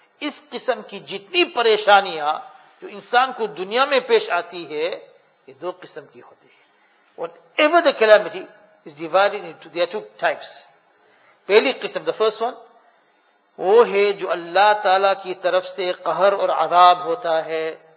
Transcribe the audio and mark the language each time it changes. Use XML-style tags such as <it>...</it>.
<ur>اس قسم کی جتنی پریشانیاں جو انسان کو دنیا میں پیش آتی ہے یہ دو قسم کی ہوتی ہیں.</ur> <en>Whatever the calamity is divided into, there are two types.</en> <ur>پہلی قسم,</ur> <en>the first one,</en> <ur>وہ ہے جو اللہ تعالیٰ کی طرف سے قہر اور عذاب ہوتا ہے.</ur>